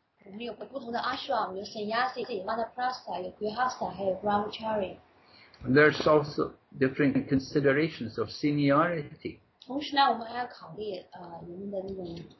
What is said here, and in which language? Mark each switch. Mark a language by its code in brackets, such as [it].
[zh] 我们有不同的 ashram， 有 Sannyasi， 有 Vanaprastha， 有 Grihastha， 还有 Brahmachari。 [en] There's also different considerations of seniority. [zh] 同时呢，我们还要考虑人们的那种。